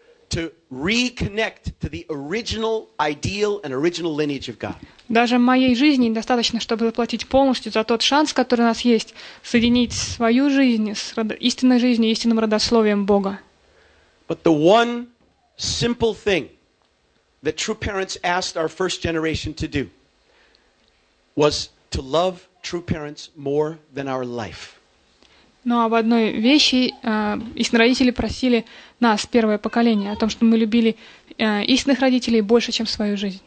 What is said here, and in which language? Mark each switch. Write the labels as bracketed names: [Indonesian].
[English] To reconnect to the original ideal and original lineage of God. [Russian] Даже моей жизни недостаточно, чтобы заплатить полностью за тот шанс, который у нас есть, соединить свою жизнь с истинной жизнью, истинным родословием Бога. [English] But the one simple thing that true parents asked our first generation to do was to love true parents more than our life. [Russian] Но об одной вещи истинные родители просили нас, первое поколение, о том, что мы любили истинных родителей больше, чем свою